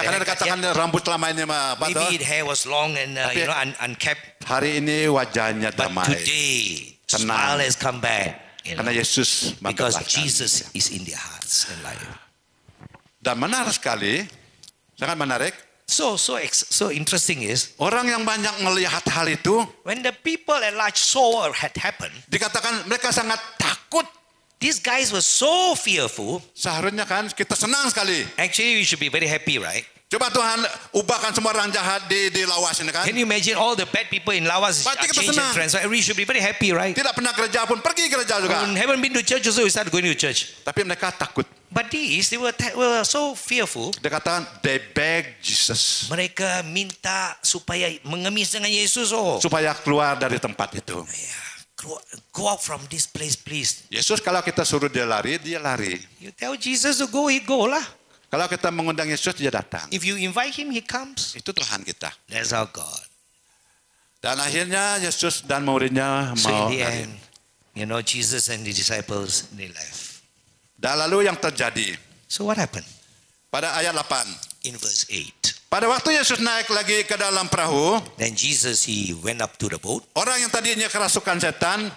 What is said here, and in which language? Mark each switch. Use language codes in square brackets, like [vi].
[id] Ya, karena dikatakan rambut selama ini mah. [en] Maybe the hair was long and unkept. [id] Hari ini wajahnya damai. [en] But today, [id] tenang. [en] Smile has come back. [id] Karena Yesus menggelarkan. [en] Because Jesus is in their hearts and life. [id] Dan menarik sekali, sangat menarik. [en] So interesting is [id] orang yang banyak melihat hal itu. [en] When the people at large saw what had happened, [id] dikatakan mereka sangat takut. [en] These guys were so fearful. [id] Seharusnya kan kita senang sekali. [en] Actually, we should be very happy, right? [id] Coba Tuhan ubahkan semua orang jahat di Lawas ini kan? [en] Can you imagine all the bad people in Lawas change and transform? We should be very happy, right? [id] Tidak pernah gereja pun pergi gereja juga. [en] We haven't been to church, so we started going to church. [id] Tapi mereka takut. [en] But these, they were so fearful. [id] Dikatakan, [en] they beg Jesus. [id] Mereka minta supaya mengemis dengan Yesus. Oh. Supaya keluar dari tempat itu. [en] Yeah, go out from this place, please. [id] Yesus kalau kita suruh dia lari, dia lari. [en] You tell Jesus to go, he go lah. [id] Kalau kita mengundang Yesus, dia datang. [en] If you invite him, he comes. [id] Itu Tuhan kita. [en] That's our God. [id] Dan akhirnya Yesus dan muridnya mau lari. [en] So in the end, Jesus and the disciples, they left. [id] Dan lalu yang terjadi. [en] So what happened? [id] Pada ayat 8. [en] In verse 8. [id] Pada waktu Yesus naik lagi ke dalam perahu. [en] Then Jesus he went up to the boat. [id] Orang yang tadinya kerasukan setan.